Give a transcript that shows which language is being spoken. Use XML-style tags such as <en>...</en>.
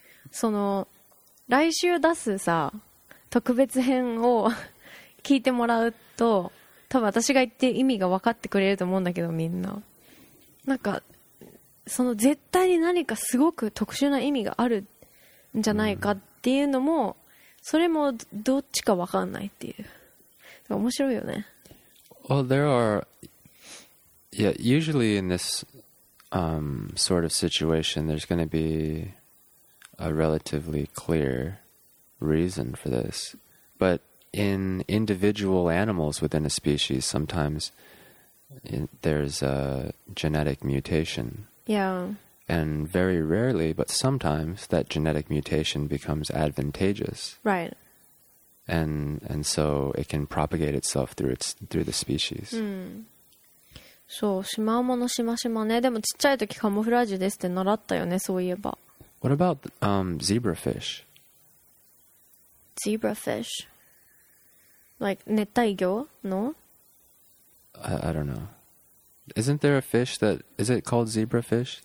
<ja>その、来週出すさ、特別編を聞いてもらうと、多分私が言って意味が分かってくれると思うんだけど、みんな。なんか、その絶対に何かすごく特殊な意味があるんじゃないかっていうのも、それもどっちか分かんないっていう。面白いよね。</ja> <en>Well, there are, yeah, usually in this, sort of situation, there's going to be a relatively clear reason for this. But,In individual animals within a species, sometimes there's a genetic mutation. Yeah. And very rarely, but sometimes, that genetic mutation becomes advantageous. Right. And so it can propagate itself through the species.</en> <ja>そう、シマウマのシマシマね。でもちっちゃい時カモフラージュですって習ったよね、そういえば。</ja> <en>What about zebrafish? Zebrafish? Like, 熱帯魚 No? I don't know. Isn't there a fish that... Is it called zebra fish?</en>